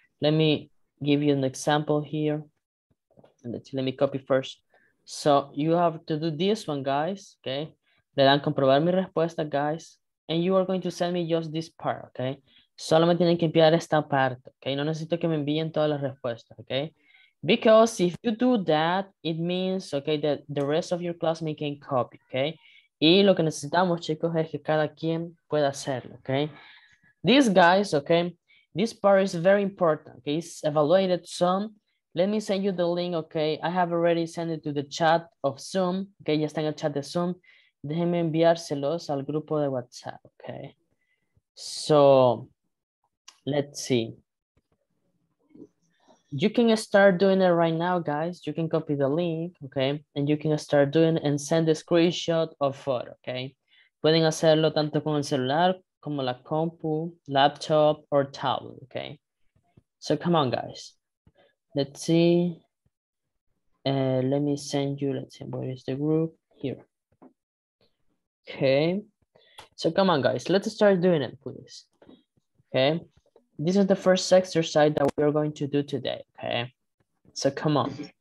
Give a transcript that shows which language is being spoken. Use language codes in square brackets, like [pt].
[en] Let me give you an example here. Let me copy first. So you have to do this one, guys, ¿ok? [es] Le dan comprobar mi respuesta, [en] guys. And you are going to send me just this part, ¿ok? [es] Solo me tienen que enviar esta parte, ¿ok? No necesito que me envíen todas las respuestas, ¿ok? [en] Because if you do that, it means, okay, that the rest of your classmates can copy, okay? [es] Y lo que necesitamos, chicos, es que cada quien pueda hacerlo, okay? [en] These guys, okay, this part is very important, okay? It's evaluated soon. Let me send you the link, okay? I have already sent it to the chat of Zoom, okay? [es] Ya está en el chat de Zoom. Déjenme enviárselos al grupo de WhatsApp, okay? [en] So, let's see. You can start doing it right now, guys. You can copy the link, okay? And you can start doing and send a screenshot or photo, okay? [es] Pueden hacerlo tanto con el celular como la compu, laptop, or tablet, okay? [en] So come on, guys. Let's see. Let me send you, let's see, where is the group? Here. Okay. So come on, guys. Let's start doing it, please. Okay. This is the first exercise that we are going to do today, okay? So come on.